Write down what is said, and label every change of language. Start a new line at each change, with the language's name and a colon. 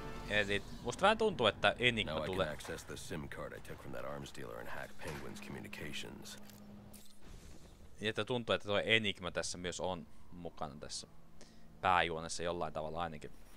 Finnish: Eli musta vähän tuntuu, että Enigma tulee.
English: Now I can access the SIM card I took from that arms dealer and hack Penguin's communications.
Finnish: Ja että tuntuu, että toi Enigma tässä myös on mukana tässä pääjuonessa jollain tavalla ainakin.